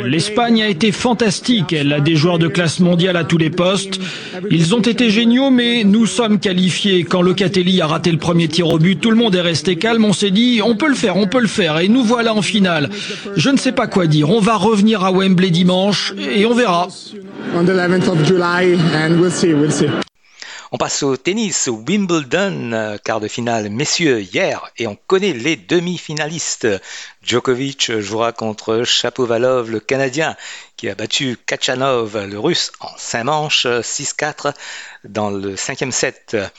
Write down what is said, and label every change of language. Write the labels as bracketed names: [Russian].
[French] L'Espagne a été fantastique. Elle a des joueurs de classe mondiale à tous les postes. Ils ont été géniaux, mais nous sommes qualifiés. Quand Locatelli a raté le premier tir au but, tout le monde est resté calme. On s'est dit, on peut le faire, on peut le faire. Et nous voilà en finale. Je ne sais pas quoi dire. On va revenir à Wembley dimanche et on verra. [English] On the 11th of July and we'll see. [French] On passe au tennis, au Wimbledon, quart de finale, messieurs, hier, et on connaît les demi-finalistes. Djokovic jouera contre Shapovalov, le Canadien, qui a battu Khachanov, le Russe, en 5 manches, 6-4, dans le 5e set.